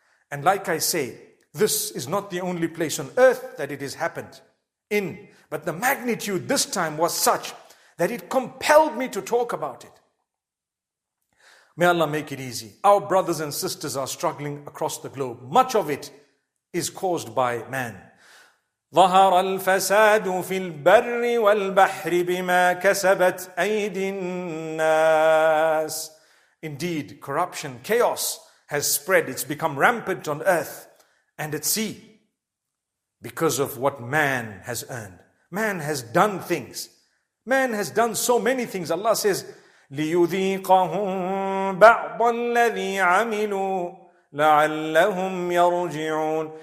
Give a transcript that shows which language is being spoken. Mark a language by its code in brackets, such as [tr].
[en] And like I say, this is not the only place on earth that it has happened in. But the magnitude this time was such that it compelled me to talk about it. May Allah make it easy. Our brothers and sisters are struggling across the globe. Much of it is caused by man. [ar] ظهر الفساد في البر والبحر بما كسبت أيدي الناس. [en] Indeed, corruption, chaos has spread. It's become rampant on earth and at sea because of what man has earned. Man has done things. Man has done so many things. Allah says, [ar] لِيُذِيقَهُمْ بَعْضَ الَّذِي عَمِلُوا لَعَلَّهُمْ يَرْجِعُونَ.